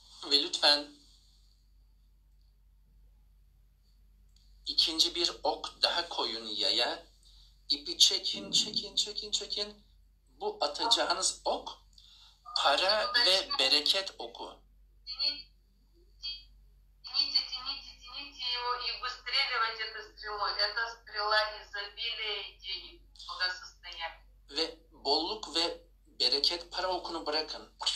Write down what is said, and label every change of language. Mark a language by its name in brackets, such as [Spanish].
[Turkish] Ve lütfen ikinci bir ok daha koyun yaya. İpi çekin, çekin, çekin, çekin. Bu atacağınız ok para ve bereket oku. [Russian] Тяните, тяните, тяните его и выстреливайте это стрелой. Это стрела изобилия денег, благосостояния. [Turkish] Ve bolluk ve bereket para okunu bırakın.